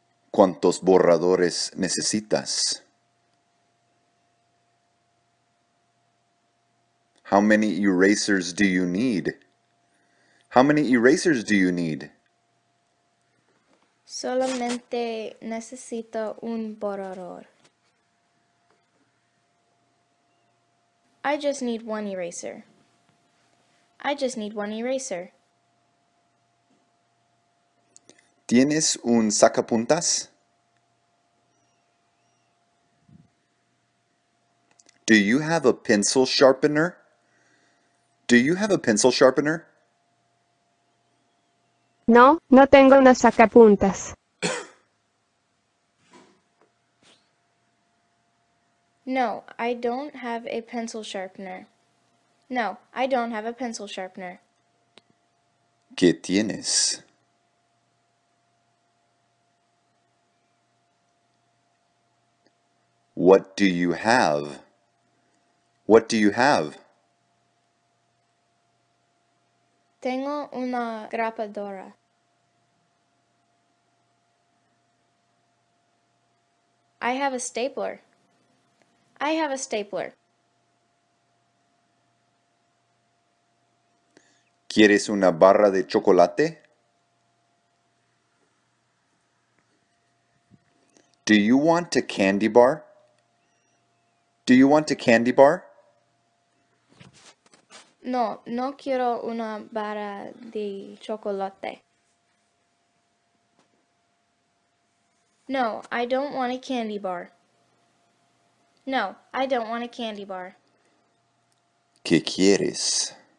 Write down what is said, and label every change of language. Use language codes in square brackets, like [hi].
[es] ¿Cuántos borradores necesitas? [en] How many erasers do you need? How many erasers do you need? [es] Solamente necesito un borrador. [en] I just need one eraser. I just need one eraser. [es] ¿Tienes un sacapuntas? [en] Do you have a pencil sharpener? Do you have a pencil sharpener? [es] No, no tengo una sacapuntas. [en] No, I don't have a pencil sharpener. No, I don't have a pencil sharpener. [es] ¿Qué tienes? [en] What do you have? What do you have? [es] Tengo una grapadora. [en] I have a stapler. I have a stapler. [es] ¿Quieres una barra de chocolate? [en] Do you want a candy bar? Do you want a candy bar? [es] No, no quiero una barra de chocolate. [en] No, I don't want a candy bar. No, I don't want a candy bar. [es] ¿Qué quieres?